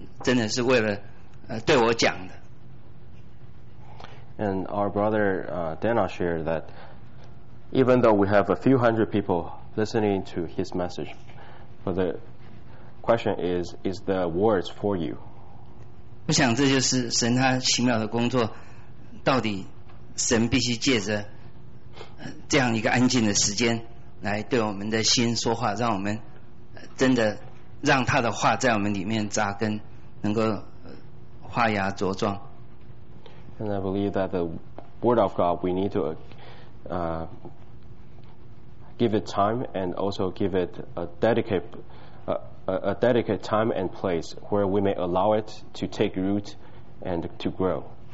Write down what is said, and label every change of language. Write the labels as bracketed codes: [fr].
[zh] Dana弟兄他在讲信息的时候，心里有一个感受，我知道，尽管我们有几百个弟兄姊妹在这里聚会，他那个讲的信息是不是差遣，真的是为了对我讲的。 [en] And our brother Dana shared that even though we have a few hundred people listening to his message, but the question is the words for you? [zh] 我想这就是神他奇妙的工作，到底神必须借着这样一个安静的时间来对我们的心说话，让我们真的让他的话在我们里面扎根，能够发芽茁壮。 [en] And I believe that the word of God, we need to give it time and also give it a dedicated time and place where we may allow it to take root and to grow.